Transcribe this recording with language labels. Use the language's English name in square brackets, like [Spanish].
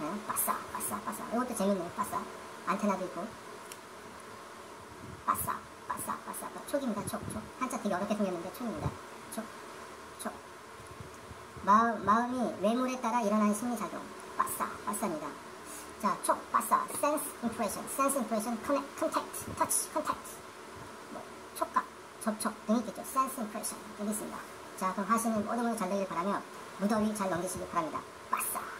[Korean] 빠싸. 이것도 재밌네요. 빠싸. 안테나도 있고. 빠싸. 촉입니다. 촉. 한자 되게 어렵게 생겼는데 촉입니다. 마음이 외물에 따라 일어나는 심리작용. 빠싸입니다. 자, 촉, 빠싸. [English] Sense impression, contact, touch. [Korean] 뭐, 촉각, 접촉 등이 있겠죠. [English] Sense impression. [Korean] 여기 있습니다. 자, 그럼 하시는 모든 분들 잘 되길 바라며, 무더위 잘 넘기시길 바랍니다. 빠싸.